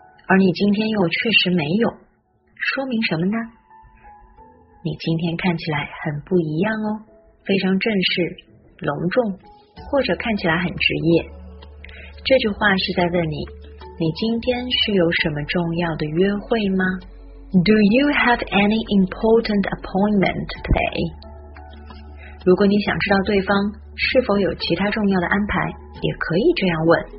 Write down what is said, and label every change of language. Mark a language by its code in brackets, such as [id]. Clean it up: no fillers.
[zh] 而你今天又确实没有，说明什么呢？你今天看起来很不一样哦，非常正式、隆重，或者看起来很职业。这句话是在问你，你今天是有什么重要的约会吗？ [en] Do you have any important appointment today? [zh] 如果你想知道对方是否有其他重要的安排，也可以这样问。